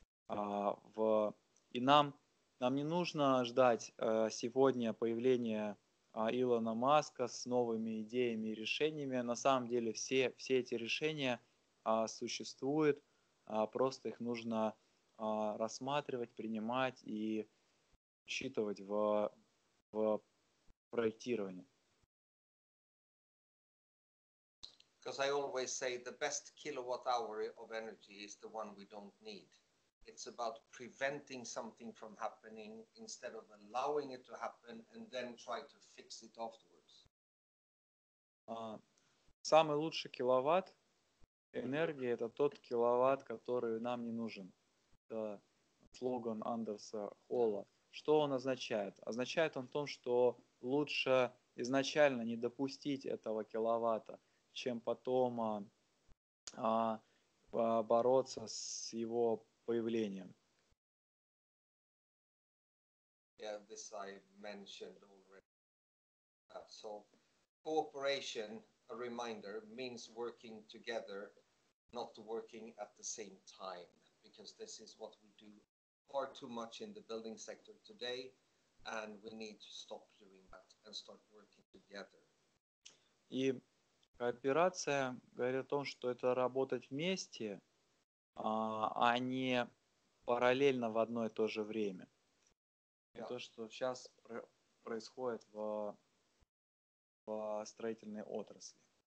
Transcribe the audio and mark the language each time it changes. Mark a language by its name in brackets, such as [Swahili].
[Russian] И нам не нужно ждать сегодня появления Илона Маска с новыми идеями и решениями. На самом деле все эти решения существуют, просто их нужно рассматривать, принимать и учитывать в проектировании. [English] Because I always say the best kilowatt hour of energy is the one we don't need. It's about preventing something from happening instead of allowing it to happen and then try to fix it afterwards. [Russian] Самый лучший киловатт энергии – это тот киловатт, который нам не нужен. Это слоган Андерса Холла. Что он означает? Означает он то, что лучше изначально не допустить этого киловатта, чем потом бороться с его появлением. [English] Yeah, this I mentioned already. So, cooperation, a reminder, means working together, not working at the same time, because this is what we do far too much in the building sector today, and we need to stop doing that and start working together. [Russian] И кооперация говорит о том, что это работать вместе, а не параллельно в одно и то же время. [English] Yeah. [Russian] И то, что сейчас происходит в строительной отрасли.